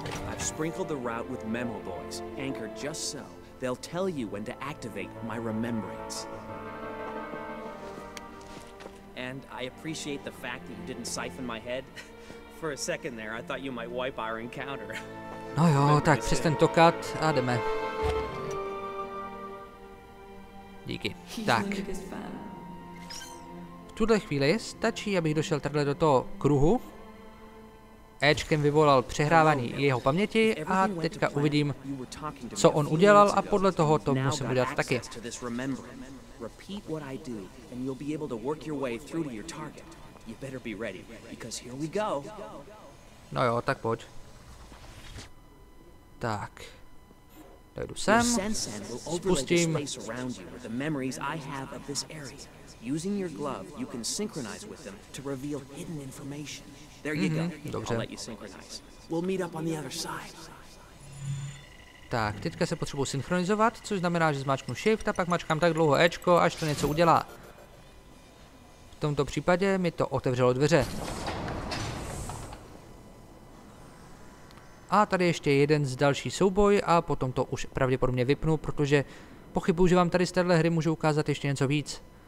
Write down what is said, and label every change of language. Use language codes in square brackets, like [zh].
[en] I've sprinkled the route with memo boys, anchored just so. They'll tell you when to activate my remembrance. And I appreciate the fact that you didn't siphon my head. For a second there, I thought you might wipe our encounter. [cs] No jo, tak přes tento kat a jdeme. Díky. Tak. V tuhle chvíli stačí, abych došel takhle do toho kruhu. Ečkem vyvolal přehrávání jeho paměti a teďka uvidím, co on udělal a podle toho to musím udělat taky. [en] Repeat what I do and you'll be able to work your way through to your target. You better be ready because here we go. [cs] No jo, tak pojď. Tak. Dojdu sem. Spustím [en] the memories I have of this area. Using your glove, you can synchronize with them to reveal hidden information. There you go. I'll let you synchronize. We'll meet up on the other side. [cs] Tak, teďka se potřebuji synchronizovat, což znamená, že zmáčknu shift a pak mačkám tak dlouho Ečko, až to něco udělá. V tomto případě mi to otevřelo dveře. A tady ještě jeden z další souboj a potom to už pravděpodobně vypnu, protože pochybuju, že vám tady z téhle hry můžu ukázat ještě něco víc.